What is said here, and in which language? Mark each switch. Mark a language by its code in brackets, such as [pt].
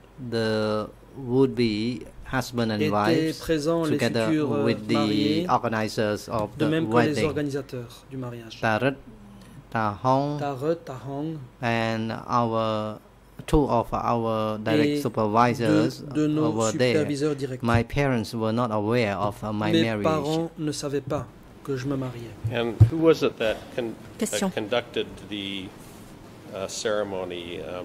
[en] There would be husband and wife together with the organizers of the wedding. [fr] De même que les organisateurs du mariage. [en] Tarot, Tahong, and two of our direct supervisors were there. My parents were not aware of my [fr] Mes [en] marriage. [fr] Mes parents ne savaient pas que je me mariais. [en] And who was it that conducted the ceremony?